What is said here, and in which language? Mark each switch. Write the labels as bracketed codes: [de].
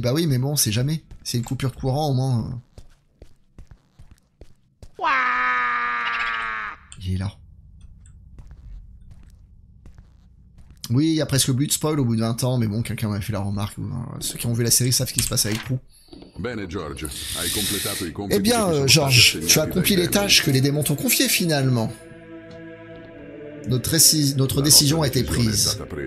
[fr] Bah oui, mais bon, on sait jamais. C'est une coupure de courant, au moins. Il est là. Oui, il y a presque plus de spoil au bout de 20 ans. Mais bon, quelqu'un m'a fait la remarque. Ceux qui ont vu la série savent ce qui se passe avec Prue. [it] Bene, George, hai completato i compiti. [fr] Eh bien, George, tu as accompli les tâches que les démons t'ont confiées finalement. Notre décision a été prise.